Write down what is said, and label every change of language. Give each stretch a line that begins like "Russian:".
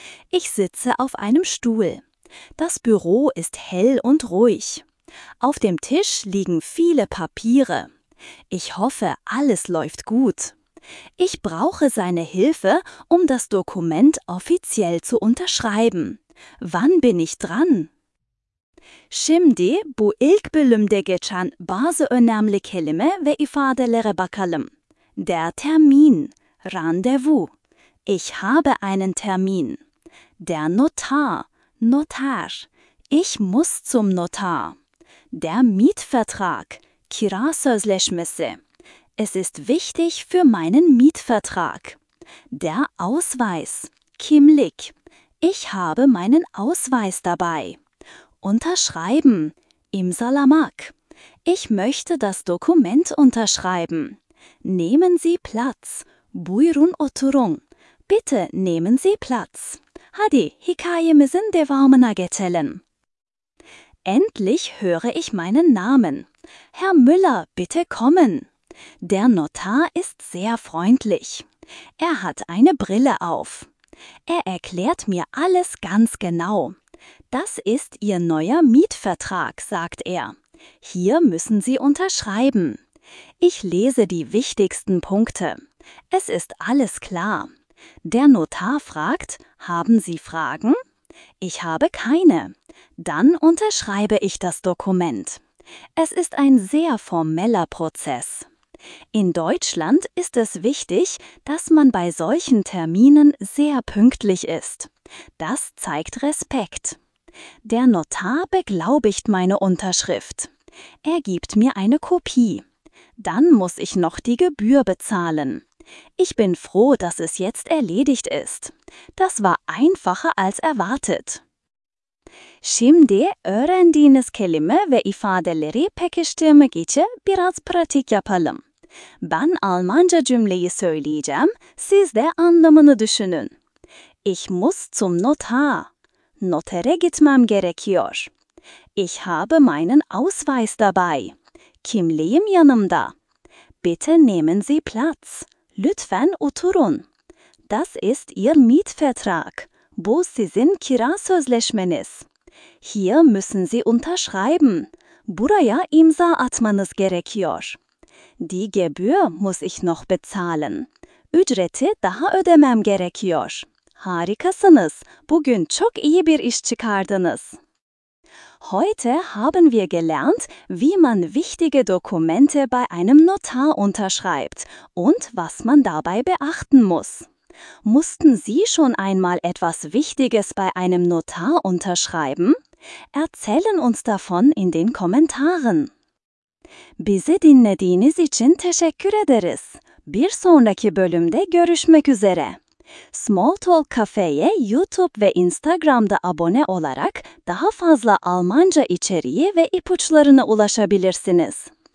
German: Ich sitze auf einem Stuhl. Das Büro ist hell und ruhig. Auf dem Tisch liegen viele Papiere. Ich hoffe, alles läuft gut. Ich brauche seine Hilfe, um das Dokument offiziell zu unterschreiben. Wann bin ich dran?
Turkish: Şimdi bu ilk bölümde geçen bazı önemli kelime ve ifadelere bakalım.
German: Der Termin, Rendezvous. Ich habe einen Termin. Der Notar, Notar. Ich muss zum Notar. Der Mietvertrag, Kirasözleşmesi. Es ist wichtig für meinen Mietvertrag. Der Ausweis, Kimlik. Ich habe meinen Ausweis dabei. Unterschreiben, imzalamak. Ich möchte das Dokument unterschreiben. Nehmen Sie Platz,
Turkish: buyurun oturun.
German: Bitte nehmen Sie Platz.
Turkish: Hadi, hikayemizin devamına geçelim.
German: Endlich höre ich meinen Namen. Herr Müller, bitte kommen. Der Notar ist sehr freundlich. Er hat eine Brille auf. Er erklärt mir alles ganz genau. Das ist Ihr neuer Mietvertrag, sagt er. Hier müssen Sie unterschreiben. Ich lese die wichtigsten Punkte. Es ist alles klar. Der Notar fragt: "Haben Sie Fragen?" Ich habe keine. Dann unterschreibe ich das Dokument. Es ist ein sehr formeller Prozess. In Deutschland ist es wichtig, dass man bei solchen Terminen sehr pünktlich ist. Das zeigt Respekt. Der Notar beglaubigt meine Unterschrift. Er gibt mir eine Kopie. Dann muss ich noch die Gebühr bezahlen. Ich bin froh, dass es jetzt erledigt ist. Das war einfacher als erwartet.
Turkish: Şimdi öğrendiğiniz kelime ve ifadeleri pekiştirmek için biraz pratik yapalım. Ben Almanca cümleyi söyleyeceğim, siz de anlamını düşünün.
German: Ich muss zum Notar.
Turkish: Notere gitmem gerekiyor.
German: Ich habe meinen Ausweis dabei.
Turkish: Kimliğim yanımda.
German: Bitte nehmen Sie Platz.
Turkish: Lütfen oturun.
German: Das ist Ihr Mietvertrag.
Turkish: Bu sizin kira sözleşmeniz.
German: Hier müssen Sie unterschreiben.
Turkish: Buraya imza atmanız gerekiyor.
German: Die Gebühr muss ich noch bezahlen.
Turkish: Ücreti daha ödemem gerekiyor. Harikasınız. Bugün çok iyi bir iş çıkardınız.
German: Heute haben wir gelernt, wie man wichtige Dokumente bei einem Notar unterschreibt und was man dabei beachten muss. Mussten Sie schon einmal etwas Wichtiges bei einem Notar unterschreiben? Erzählen uns davon in den Kommentaren.
Turkish: Bizi dinlediğiniz için teşekkür ederiz. Bir sonraki bölümde görüşmek üzere. Small Talk Cafe'ye YouTube ve Instagram'da abone olarak daha fazla Almanca içeriği ve ipuçlarına ulaşabilirsiniz.